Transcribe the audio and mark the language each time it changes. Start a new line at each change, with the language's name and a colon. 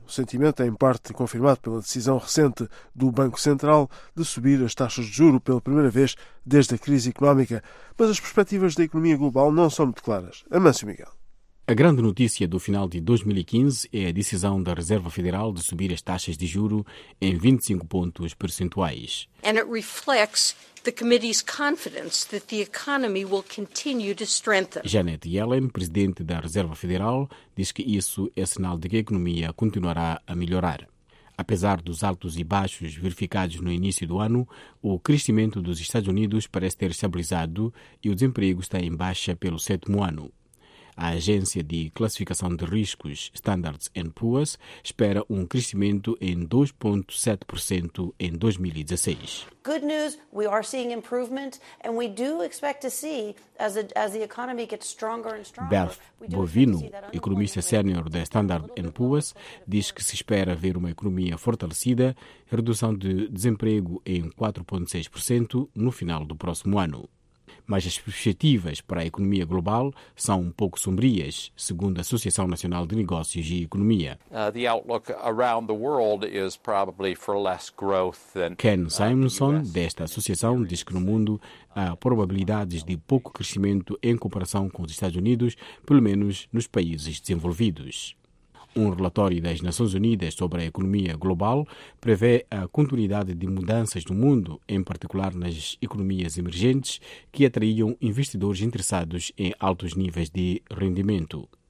Portuguese: O sentimento é em parte confirmado pela decisão recente do Banco Central de subir as taxas de juros pela primeira vez desde a crise económica, mas as perspectivas da economia global não são muito claras. Amâncio Miguel. A grande notícia do final de 2015 é a decisão da Reserva Federal de subir as taxas de juros em 25 pontos percentuais.
English: And it reflects the committee's confidence that the economy will continue to strengthen.
Portuguese: Janet Yellen, presidente da Reserva Federal, diz que isso é sinal de que a economia continuará a melhorar. Apesar dos altos e baixos verificados no início do ano, o crescimento dos Estados Unidos parece ter estabilizado e o desemprego está em baixa pelo sétimo ano. A agência de classificação de riscos Standard & Poor's espera um crescimento em 2,7% em 2016.
English: Good news, we are seeing improvement and we do expect to see as the economy gets stronger and stronger.
Portuguese: Beth Bovino, economista sênior da Standard & Poor's, diz que se espera ver uma economia fortalecida, redução de desemprego em 4,6% no final do próximo ano. Mas as perspectivas para a economia global são um pouco sombrias, segundo a Associação Nacional de Negócios e Economia.
English: The outlook around the world is probably for less growth than.
Portuguese: Ken Simonson, desta associação, diz que no mundo há probabilidades de pouco crescimento em comparação com os Estados Unidos, pelo menos nos países desenvolvidos. Um relatório das Nações Unidas sobre a economia global prevê a continuidade de mudanças no mundo, em particular nas economias emergentes, que atraíam investidores interessados em altos níveis de rendimento.